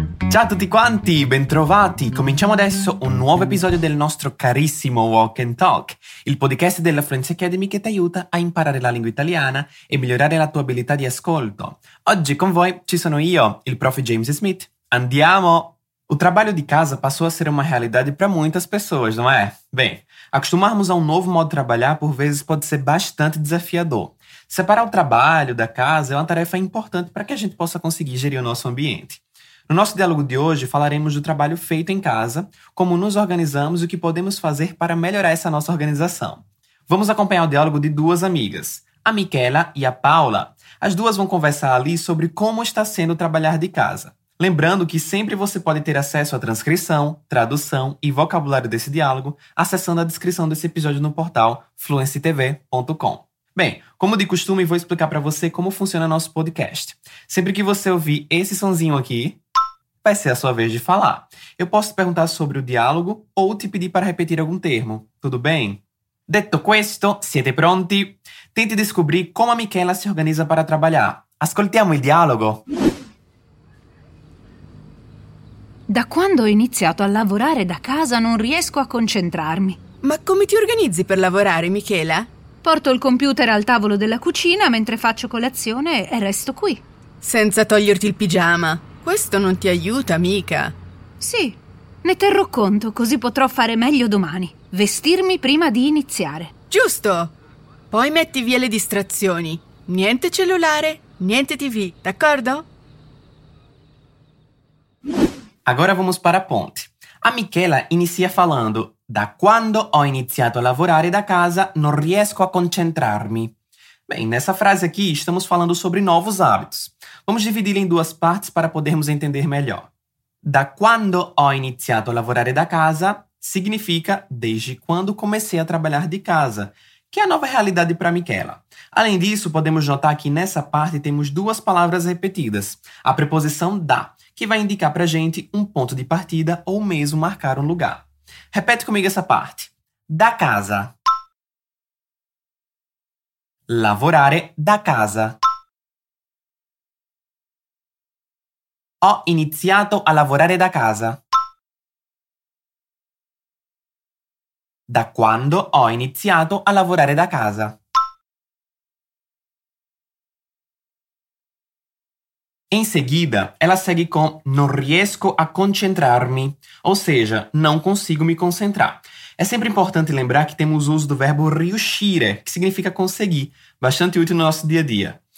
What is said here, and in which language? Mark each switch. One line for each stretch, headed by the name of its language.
Italian: Ciao a tutti quanti, bentrovati. Cominciamo adesso un nuovo episodio del nostro carissimo Walk and Talk, il podcast della Fluency Academy che ti aiuta a imparare la lingua italiana e migliorare la tua abilità di ascolto. Oggi con voi ci sono io, il prof. James Smith. Andiamo!
Portuguese: O trabalho de casa passou a ser uma realidade para muitas pessoas, não é? Bem, acostumarmos a um novo modo de trabalhar por vezes pode ser bastante desafiador. Separar o trabalho da casa é uma tarefa importante para que a gente possa conseguir gerir o nosso ambiente. No nosso diálogo de hoje, falaremos do trabalho feito em casa, como nos organizamos e o que podemos fazer para melhorar essa nossa organização. Vamos acompanhar o diálogo de duas amigas, a Michela e a Paula. As duas vão conversar ali sobre como está sendo trabalhar de casa. Lembrando que sempre você pode ter acesso à transcrição, tradução e vocabulário desse diálogo acessando a descrição desse episódio no portal fluencytv.com. Bem, como de costume, vou explicar para você como funciona nosso podcast. Sempre que você ouvir esse sonzinho aqui, vai ser a sua vez de falar. Eu posso te perguntar sobre o diálogo ou te pedir para repetir algum termo, tudo bem? Detto questo, siete pronti?
Italian: Tente descobrir como a Michela se organiza para trabalhar. Ascoltiamo il dialogo! Da quando ho iniziato a lavorare da casa non riesco a concentrarmi. Ma come ti organizzi per lavorare, Michela? Porto il computer al tavolo della cucina mentre faccio colazione e resto qui. Senza toglierti il pigiama. Questo non ti aiuta, mica. Sì, ne terrò conto, così potrò fare meglio domani. Vestirmi prima di iniziare. Giusto! Poi metti via le distrazioni. Niente cellulare, niente TV, d'accordo?
Portuguese: Agora vamos para a ponte. A Michela inicia falando:
Italian: da quando ho iniziato a lavorare da casa, non riesco a concentrarmi.
Portuguese: Bem, nessa frase aqui, estamos falando sobre novos hábitos. Vamos dividi-la em duas partes para podermos entender melhor.
Italian: Da quando ho iniziato a lavorare da casa
Portuguese: significa desde quando comecei a trabalhar de casa, que é a nova realidade para Michela. Além disso, podemos notar que nessa parte temos duas palavras repetidas. A preposição da, que vai indicar para a gente um ponto de partida ou mesmo marcar um lugar. Repete comigo essa parte.
Italian: Da casa. Lavorare da casa. Ho iniziato a lavorare da casa. Da quando ho iniziato a lavorare da casa.
Portuguese: Em seguida, ela segue com
Italian: non riesco a concentrarmi,
Portuguese: ou seja, não consigo me concentrar. É sempre importante lembrar que temos o uso do verbo riuscire, que significa conseguir, bastante útil no nosso dia a dia.